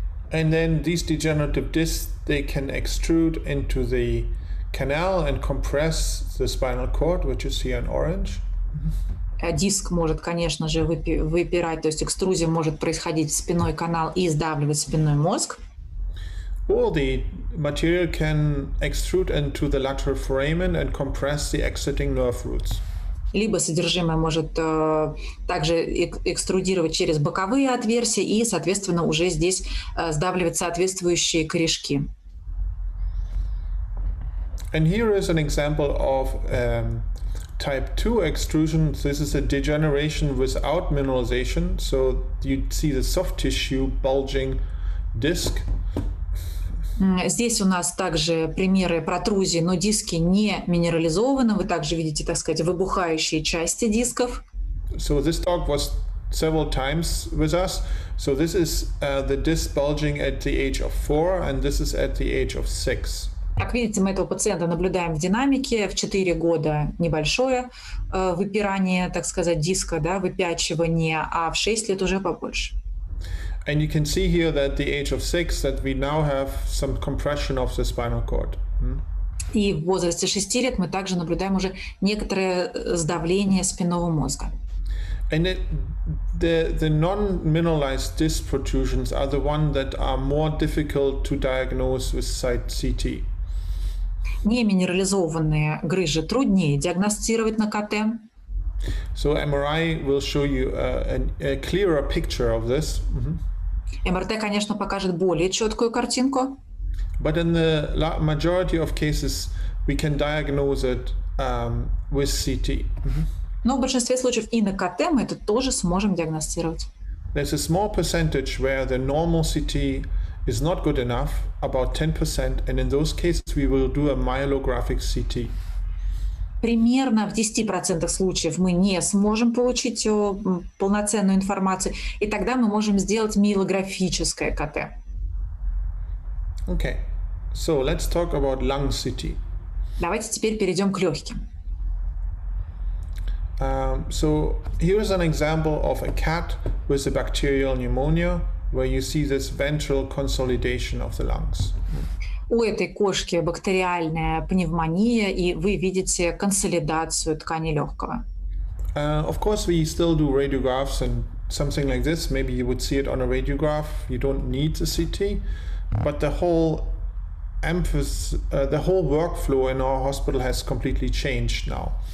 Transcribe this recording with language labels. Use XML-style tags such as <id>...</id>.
<en>And then these degenerative discs, they can extrude into the canal and compress the spinal cord, which is here in orange.</en> <ru>Диск может, конечно же, выпирать, то есть экструзия может происходить в спинной канал и сдавливать спинной мозг.</ru> <en>All the material can extrude into the lateral foramen and compress the exiting nerve roots.</en> <ru>Либо содержимое может также экструдировать через боковые отверстия и, соответственно, уже здесь сдавливать соответствующие корешки.</ru> <en>And here is an example of type 2 extrusion. This is a degeneration without mineralization, so you see the soft tissue bulging disc.</en> <ru>Здесь у нас также примеры протрузии, но диски не минерализованы. Вы также видите, так сказать, выбухающие части дисков.</ru> <en>So this dog was several times with us. So this is the disc bulging at the age of 4 and this is at the age of 6.</en> <ru>Как видите, мы этого пациента наблюдаем в динамике. В 4 года небольшое выпирание, так сказать, диска, да, выпячивание, а в 6 лет уже побольше.</ru> <en>And you can see here that the age of 6 that we now have some compression of the spinal cord.</en> <ru>И в возрасте 6 лет мы также наблюдаем уже некоторое сдавливание спинного мозга.</ru> <en>And the non-mineralized disc protrusions are the ones that are more difficult to diagnose with site CT.</en> <ru>Неминерализованные грыжи труднее диагностировать на КТ.</ru> <en>So MRI will show you a clearer picture of this.</en> <ru>МРТ, конечно, покажет более четкую картинку.</ru> <en>But in the majority of cases, we can diagnose it with CT.</en> <ru>Но в большинстве случаев и на КТ мы это тоже сможем диагностировать.</ru> <en>There's a small percentage where the normal CT is not good enough, about 10%, and in those cases we will do a myelographic CT.</en> <ru>Примерно в 10% случаев мы не сможем получить полноценную информацию, и тогда мы можем сделать миелографическое КТ.</ru> <en>Okay. So let's talk about lung CT.</en> <ru>Давайте теперь перейдем к легким.</ru> <en>So here is an example of a cat with a bacterial pneumonia, where you see this ventral consolidation of the lungs.</en> <ru>У этой кошки бактериальная пневмония, и вы видите консолидацию ткани легкого.</ru> <en>Of course, we still do radiographs and something like this. Maybe you would see it on a radiograph. You don't need the CT, but the whole workflow in our hospital has completely changed now.</en>